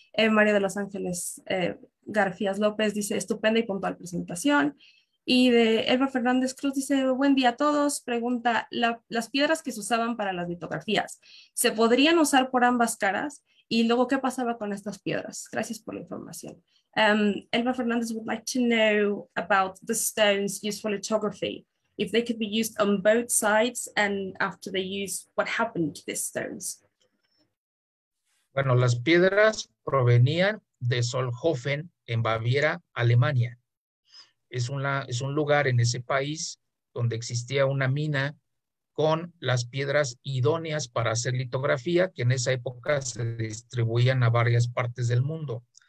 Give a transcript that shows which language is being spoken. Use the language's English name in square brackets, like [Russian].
[Spanish] Mario de Los Ángeles García López dice, estupenda y puntual presentación. Y de Elba Fernández Cruz dice, buen día a todos. Pregunta, las piedras que se usaban para las litografías, ¿se podrían usar por ambas caras? Y luego, ¿qué pasaba con estas piedras? Gracias por la información. [English] Elba Fernandez would like to know about the stones used for lithography. If they could be used on both sides, and after they use, what happened to these stones? [Spanish] Bueno, las piedras provenían de Solhofen en Baviera, Alemania. Es un lugar en ese país donde existía una mina con las piedras idóneas para hacer litografía, que en esa época se distribuían a varias partes del mundo.